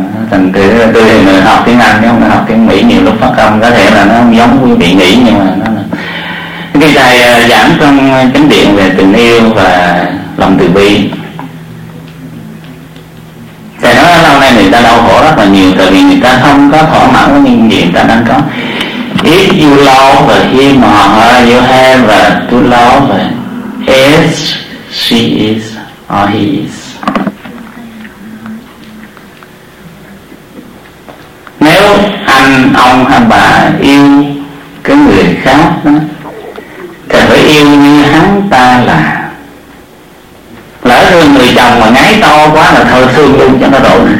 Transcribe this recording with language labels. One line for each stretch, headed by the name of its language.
Vietnamese: Thành thử tôi thì người học tiếng Anh chứ không phải học tiếng Mỹ. Nhiều lúc phát âm có thể là nó không giống quý vị nghĩ, nhưng mà nó là khi thầy giảng trong chánh điện về tình yêu và lòng từ bi. Thầy nói lâu nay người ta đau khổ rất là nhiều, tại vì người ta không có thỏa mãn với những gì người ta đang có.
English: If you love him or her, you have to love as she is or he is.
Vietnamese: Nếu anh, ông hay bà yêu cái người khác đó, thì phải yêu như hắn ta là. Lỡ thương người chồng mà ngáy to quá là thôi thương luôn cho nó đổ.